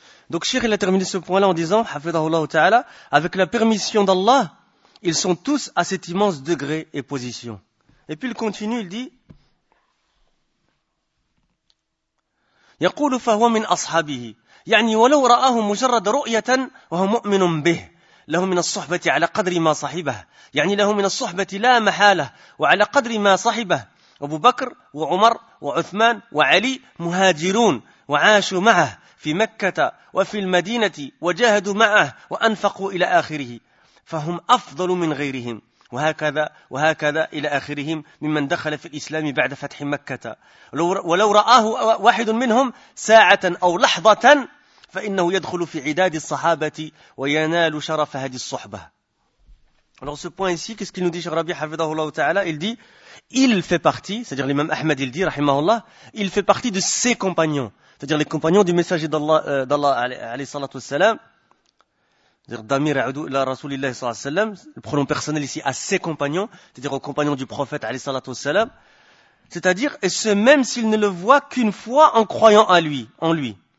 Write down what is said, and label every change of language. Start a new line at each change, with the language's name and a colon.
French: Donc, Cheikh, il a terminé ce point-là en disant, Hafidhahullah Ta'ala, avec la permission d'Allah, ils sont tous à cet immense degré et position. Et puis il continue, il dit,
Arabic: يقول فهو من أصحابه يعني ولو رآه مجرد رؤية وهو مؤمن به له من الصحبة على قدر ما صاحبه يعني له من الصحبة لا محالة وعلى قدر ما صاحبه أبو بكر وعمر وعثمان وعلي مهاجرون وعاشوا معه في مكة وفي المدينة وجاهدوا معه وأنفقوا إلى آخره فهم أفضل من غيرهم وهكذا وهكذا إلى آخرهم ممن دخل في الإسلام بعد فتح مكة ولو رآه واحد منهم ساعة أو لحظة فإنه يدخل في عداد الصحابة وينال شرف هذه الصحبة.
French: Alors ce point ici, qu'est-ce qu'il nous dit Cheikh Rabi Hafidhahu Allah Ta'ala? Il dit, il fait partie, c'est-à-dire l'imam Ahmed il dit, rahimahullah, il fait partie de ses compagnons, c'est-à-dire les compagnons du messager d'Allah, alayhi salatu wassalam, c'est-à-dire d'Amir Aoudou la Rasulillah sallallahu alayhi wa sallam, le pronom personnel ici à ses compagnons, c'est-à-dire aux compagnons du prophète alayhi salatu wa sallam, c'est-à-dire, et ce même s'il ne le voit qu'une fois en croyant à lui, en lui.